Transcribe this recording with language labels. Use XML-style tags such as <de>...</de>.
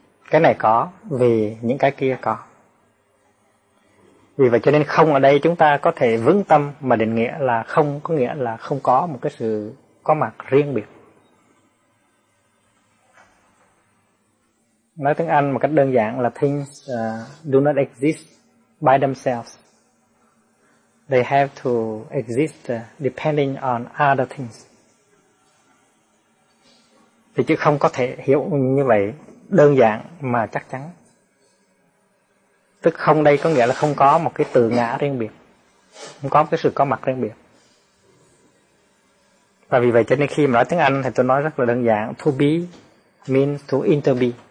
<vi>Cái này có vì những cái kia có. Vì vậy cho nên không ở đây chúng ta có thể vững tâm mà định nghĩa là không có nghĩa là không có một cái sự có mặt riêng biệt. Nói tiếng Anh một cách đơn giản là</vi> <en>things do not exist by themselves. They have to exist depending on other things.</en> <vi>Thì chứ không có thể hiểu như vậy đơn giản mà chắc chắn. Tức không đây có nghĩa là không có một cái từ ngã riêng biệt, không có một cái sự có mặt riêng biệt. Và vì vậy cho nên khi mà nói tiếng Anh thì tôi nói rất là đơn giản,</vi> <en>to be means to interbe.</en>